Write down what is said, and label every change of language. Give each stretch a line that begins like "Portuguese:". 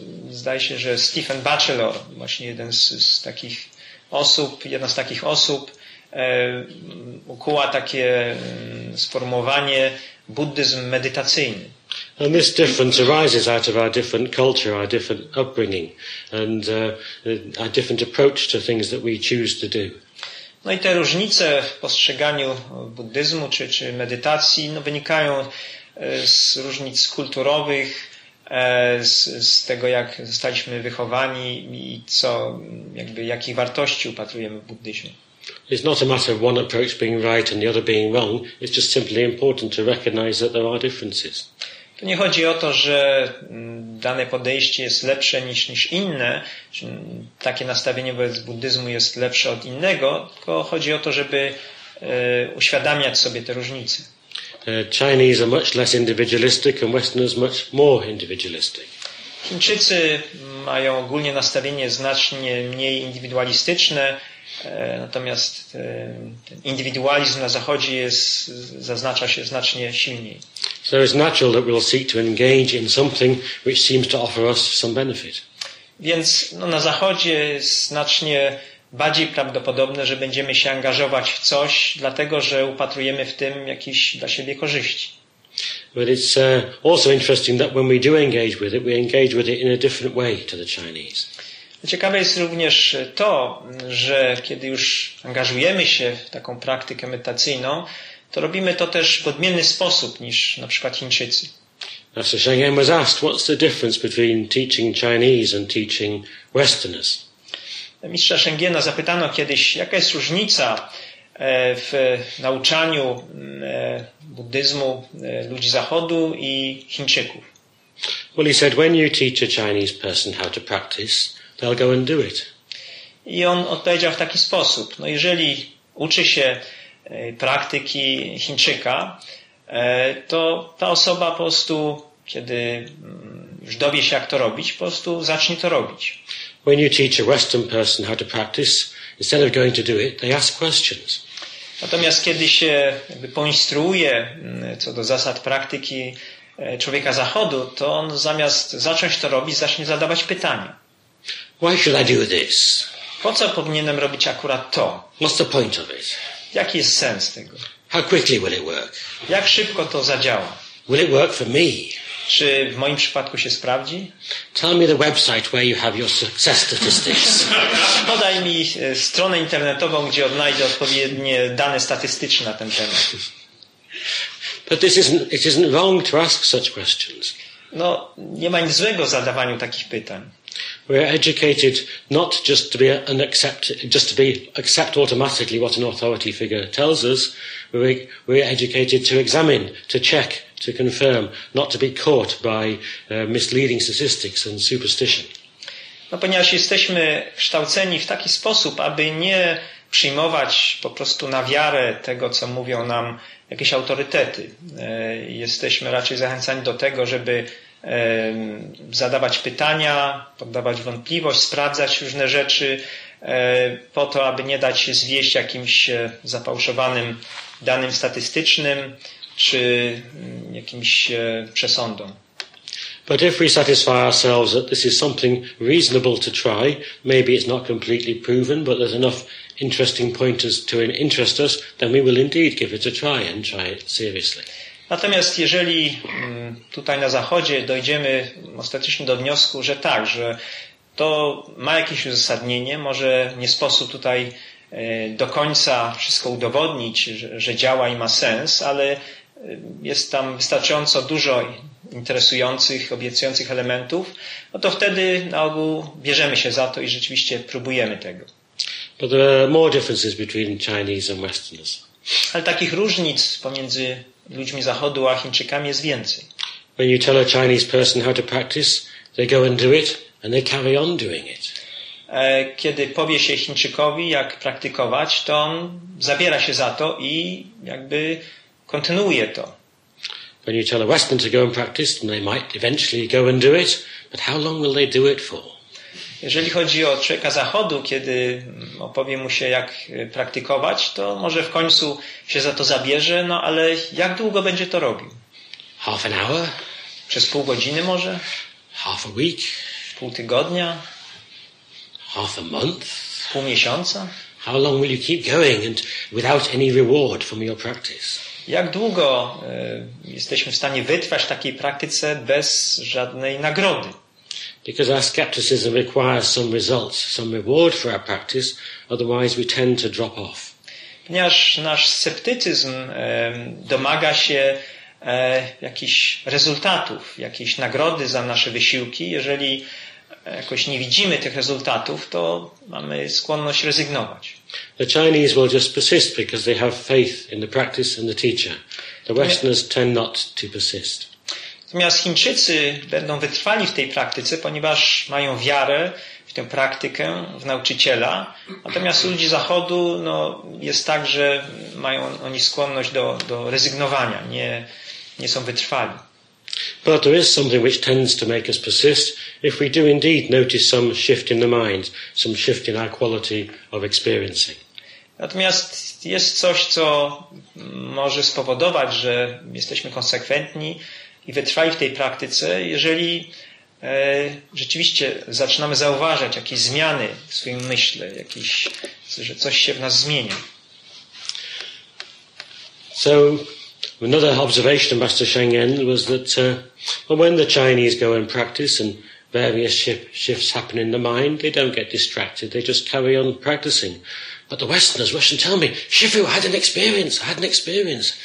Polish: Zdaje się, że Stephen Batchelor, właśnie jeden z takich osób, jedna z takich osób ukuła takie sformułowanie buddyzm medytacyjny.
English: And this difference arises out of our different culture, our different upbringing and our different approach to things that we choose to do.
Polish: No i te różnice w postrzeganiu buddyzmu czy medytacji no, wynikają z różnic kulturowych, z tego, jak zostaliśmy wychowani i co, jakby, jakich wartości upatrujemy w buddyzmie.
English: It's not a matter of one approach being right and the other being wrong. It's just simply important to recognize that there are differences.
Polish: To nie chodzi o to, że dane podejście jest lepsze niż inne, czy takie nastawienie wobec buddyzmu jest lepsze od innego, tylko chodzi o to, żeby uświadamiać sobie te różnice.
English: Chinese are much less individualistic and Westerners much more individualistic.
Polish: Chińczycy mają ogólnie nastawienie znacznie mniej indywidualistyczne, natomiast ten indywidualizm na Zachodzie zaznacza się znacznie silniej.
English: So it's natural that we'll seek to engage in something which seems to offer us some benefit.
Polish: Więc no, na Zachodzie znacznie bardziej prawdopodobne, że będziemy się angażować w coś, dlatego że upatrujemy w tym jakieś dla siebie korzyści.
English: But it's also interesting that when we engage with it in a different way to the Chinese.
Polish: Ciekawe jest również to, że kiedy już angażujemy się w taką praktykę medytacyjną, to robimy to też w odmienny sposób niż na przykład Chińczycy.
English: Master Shengyen was asked, what's the difference between teaching Chinese and teaching Westerners?
Polish: Mistrza Shengyena zapytano kiedyś, jaka jest różnica w nauczaniu buddyzmu ludzi Zachodu i Chińczyków.
English: Well, he said, when you teach a Chinese person how to practice, they'll go and do it.
Polish: I on odpowiedział w taki sposób, no jeżeli uczy się praktyki Chińczyka, to ta osoba po prostu, kiedy już dowie się, jak to robić, po prostu zacznie to robić.
English: When you teach a Western person how to practice, instead of going to do it, they ask questions.
Polish: Natomiast kiedy się jakby poinstruuje co do zasad praktyki człowieka Zachodu, to on zamiast zacząć to robić, zacznie zadawać pytania.
English: Why should I do this?
Polish: Po co powinienem robić akurat to?
English: What's the point of it?
Polish: Jaki jest sens tego?
English: How quickly will it work?
Polish: Jak szybko to zadziała?
English: Will it work for me?
Polish: Czy w moim przypadku się sprawdzi?
English: Tell me the website where you have your success statistics.
Polish: Podaj mi stronę internetową, gdzie odnajdę odpowiednie dane statystyczne na ten temat.
English: But this isn't wrong to ask such questions.
Polish: No, nie ma nic złego w zadawaniu takich pytań.
English: We are educated not just to be an accept automatically what an authority figure tells us. We are educated to examine, to check, to confirm, not to be caught by misleading statistics and superstition.
Polish: No, ponieważ jesteśmy kształceni w taki sposób, aby nie przyjmować po prostu na wiarę tego, co mówią nam jakieś autorytety. Jesteśmy raczej zachęcani do tego, żeby zadawać pytania, poddawać wątpliwość, sprawdzać różne rzeczy po to, aby nie dać się zwieść jakimś zafałszowanym danym statystycznym czy jakimś przesądom.
English: But if we satisfy ourselves that this is something reasonable to try, maybe it's not completely proven, but there's enough interesting pointers to interest us, then we will indeed give it a try and try it seriously.
Polish: Natomiast jeżeli tutaj na Zachodzie dojdziemy ostatecznie do wniosku, że tak, że to ma jakieś uzasadnienie, może nie sposób tutaj do końca wszystko udowodnić, że działa i ma sens, ale jest tam wystarczająco dużo interesujących, obiecujących elementów, no to wtedy na ogół bierzemy się za to i rzeczywiście próbujemy tego.
English: But there are more differences between Chinese and Westerners.
Polish: Ale takich różnic pomiędzy ludźmi Zachodu a Chińczykami jest więcej.
English: When you tell a Chinese person how to practice, they go and do it and they carry on doing it.
Polish: Kiedy powie się Chińczykowi, jak praktykować, to on zabiera się za to i jakby kontynuuje to.
English: When you tell a Westerner to go and practice, then they might eventually go and do it, but how long will they do it for?
Polish: Jeżeli chodzi o człowieka Zachodu, kiedy opowie mu się, jak praktykować, to może w końcu się za to zabierze, no ale jak długo będzie to robił?
English: Half an hour?
Polish: Przez pół godziny może?
English: Half a week?
Polish: Pół tygodnia?
English: Half a month?
Polish: Pół miesiąca?
English: How long will you keep going and without any reward from your practice?
Polish: Jak długo jesteśmy w stanie wytrwać w takiej praktyce bez żadnej nagrody?
English: Because our skepticism requires some results, some reward for our practice, otherwise we tend to drop off.
Polish: Ponieważ nasz sceptycyzm domaga się jakichś rezultatów, jakiejś nagrody za nasze wysiłki. Jeżeli jakoś nie widzimy tych rezultatów, to mamy skłonność rezygnować.
English: The Chinese will just persist because they have faith in the practice and the teacher. The Westerners tend not to persist.
Polish: Natomiast Chińczycy będą wytrwali w tej praktyce, ponieważ mają wiarę w tę praktykę, w nauczyciela. Natomiast ludzi Zachodu no, jest tak, że mają oni skłonność do rezygnowania, nie są wytrwali.
English: But there is something which tends to make us persist if we do indeed notice some shift in the mind, some shift in our quality of experiencing.
Polish: Natomiast jest coś, co może spowodować, że jesteśmy konsekwentni i wytrwali w tej praktyce, jeżeli rzeczywiście zaczynamy zauważać jakieś zmiany w swoim myśle, jakieś, że coś się w nas zmienia.
English: So another observation of Master Shengen was that when the Chinese go and practice and various shifts happen in the mind, they don't get distracted, they just carry on practicing. But the Westerners, Russians tell me, Shifu, I had an experience.